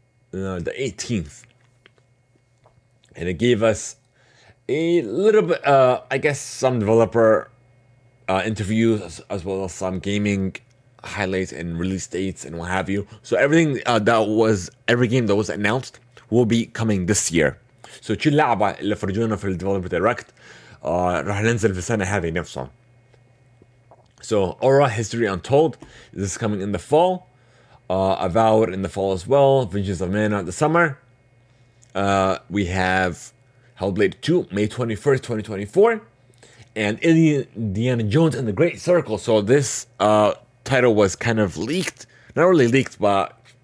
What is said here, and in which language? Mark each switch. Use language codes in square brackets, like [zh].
[en] The 18th. And it gave us a little bit, some developer interviews as well as some gaming highlights and release dates and what have you. So everything every game that was announced will be coming this year. [ar] So كل لعبة اللي فرجونا في Developer Direct راح ننزل في السنة هذه نفسها. [en] So Aura History Untold, this is coming in the fall. Avowed in the fall as well. Vengeance of Mana in the summer. We have Hellblade 2, May 21st, 2024. And Indiana Jones and the Great Circle. So this title was kind of leaked. Not really leaked, but